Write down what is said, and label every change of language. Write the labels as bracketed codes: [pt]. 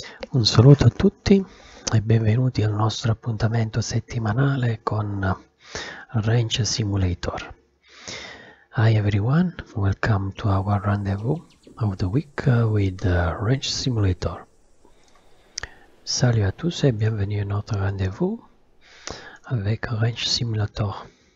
[it] Un saluto a tutti e benvenuti al nostro appuntamento settimanale con Ranch Simulator. [en] Hi everyone, welcome to our rendezvous of the week with Ranch Simulator. [fr] Salut à tous et bienvenue à notre rendez-vous avec Ranch Simulator.